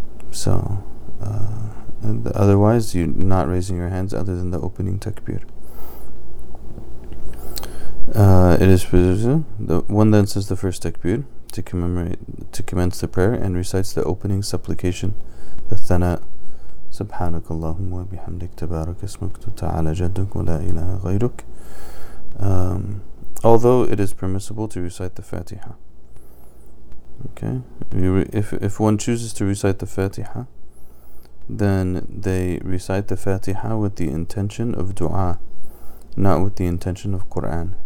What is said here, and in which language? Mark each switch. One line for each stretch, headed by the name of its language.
English: So otherwise, you're not raising your hands other than the opening takbir. It is the one then says the first takbir to commence the prayer and recites the opening supplication, the thana.
Arabic: سبحانك اللهم وبحمدك تبارك اسمك تعالى جدك ولا إله غيرك.
English: Although it is permissible to recite the Fatiha. Okay, if one chooses to recite the Fatiha, then they recite the Fatiha with the intention of dua, not with the intention of Quran.